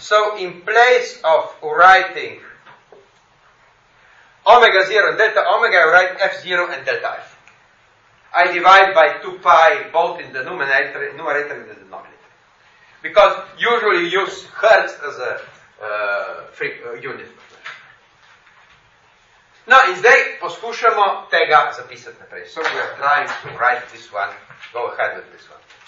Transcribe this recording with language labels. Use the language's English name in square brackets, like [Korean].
[English] So in place of writing omega 0 and delta omega, I write F0 and delta F. I divide by 2 pi both in the numerator and the denominator. Because usually you use hertz as a unit. [Slovenian] No, in zdaj poskušamo tega zapisati naprej. [English] So we are trying to write this one, go ahead with this one.